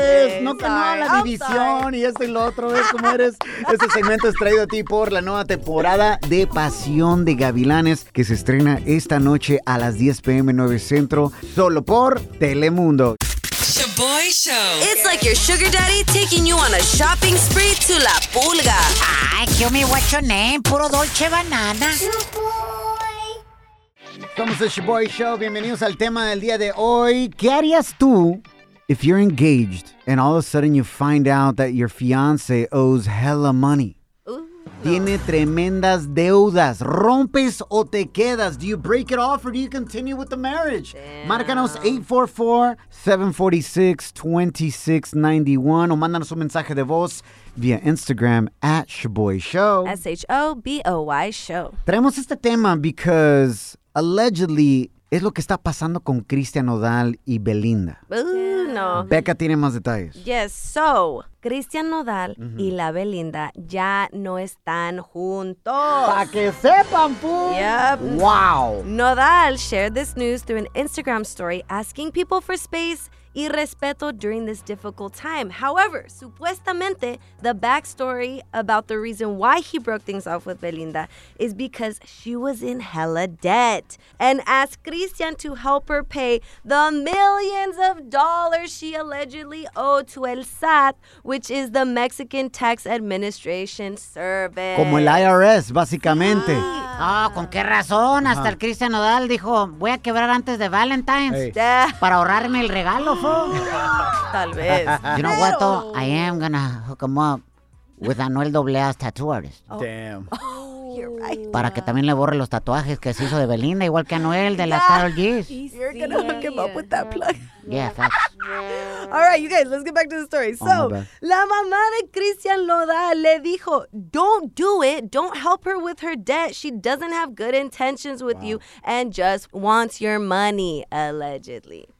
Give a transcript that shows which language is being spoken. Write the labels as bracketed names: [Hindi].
[Spanish] Okay, no canal la división y esto y lo otro. ¿Ves cómo eres? Este segmento es traído a ti por la nueva temporada de Pasión de Gavilanes que se estrena esta noche a las 10 p.m. 9 Centro solo por Telemundo. [English] Boy Show. It's like your sugar daddy taking you on a shopping spree to La Pulga. Ay, kill me, what's your name? Puro Dolce Banana. [Spanish] Somos [English] the Shaboy Show. [Spanish] Bienvenidos al tema del día de hoy. ¿Qué harías tú [English] if you're engaged and all of a sudden you find out that your fiance owes hella money? [Spanish] Tiene tremendas deudas. ¿Rompes o te quedas? [English] Do you break it off or do you continue with the marriage? Damn. [Spanish] Márcanos 844-746-2691 o mándanos un mensaje de voz via Instagram at Shaboy Show. [English] S-H-O-B-O-Y Show. [Spanish] Traemos este tema [English] because allegedly [Spanish] es lo que está pasando con Cristian Nodal y Belinda. No. Becca tiene más detalles. [English] Yes, so, [Spanish] Cristian Nodal y la Belinda ya no están juntos. ¡Para que sepan, [English] fool! Yep. Wow. Nodal shared this news through an Instagram story asking people for space [Spanish] y respeto [English] during this difficult time. However, [Spanish] supuestamente, [English] the backstory about the reason why he broke things off with Belinda is because she was in hella debt and asked Cristian to help her pay the millions of dollars she allegedly owed to El SAT, which is the Mexican Tax Administration Service. [Spanish] Como el IRS, básicamente. Ah, con qué razón. Hasta el Cristian Nodal dijo, voy a quebrar antes de Valentine's para ahorrarme el regalo. Tal vez. [English] You know what, though? I am gonna hook him up with Anuel AA's tattoo artist. Oh. Damn. Oh, you're right. [Spanish] Para que también le borre los tatuajes que se hizo de Belinda, igual que Anuel de la Karol G's. [English] You're gonna hook him up with that plug. Yeah, facts. All right, you guys, let's get back to the story. So, [Spanish] la mamá de Cristian Nodal le dijo, [English] don't do it. Don't help her with her debt. She doesn't have good intentions with you and just wants your money, allegedly.